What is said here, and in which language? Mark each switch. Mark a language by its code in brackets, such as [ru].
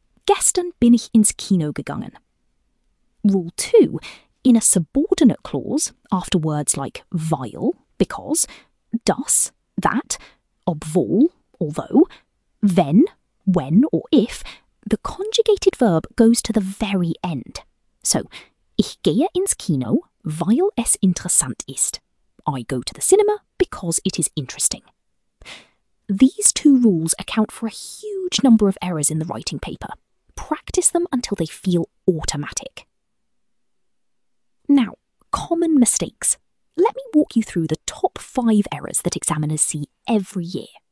[de] Gestern bin ich ins Kino gegangen. [en] Rule two, in a subordinate clause, after words like weil, because, das, that, obwohl, although, wenn, when or if, the conjugated verb goes to the very end. [de] So, ich gehe ins Kino, weil es interessant ist. [en] I go to the cinema because it is interesting. These two rules account for a huge number of errors in the writing paper. Practice them until they feel automatic. Now, common mistakes. Let me walk you through the top five errors that examiners see every year.